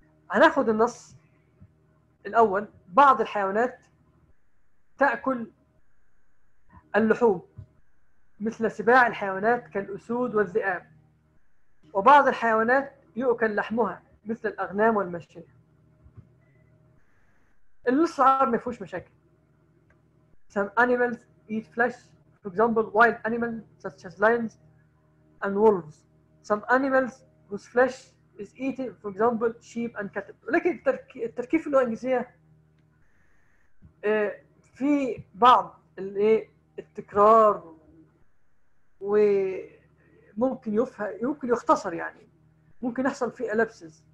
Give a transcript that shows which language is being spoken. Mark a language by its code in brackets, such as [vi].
[ar] هناخد النص الأول، بعض الحيوانات تأكل اللحوم مثل سباع الحيوانات كالأسود والذئاب، وبعض الحيوانات يؤكل لحمها مثل الأغنام والمشية. النص العربي ما فيهوش مشاكل. [en] Some animals eat flesh. For example, wild animals such as lions and wolves. Some animals whose flesh is eaten. For example, sheep and cattle. [ar] لكن التركيب في اللغة الإنجليزية في بعض التكرار وممكن يفهم، يمكن يختصر يعني. ممكن يحصل فيه ellipses.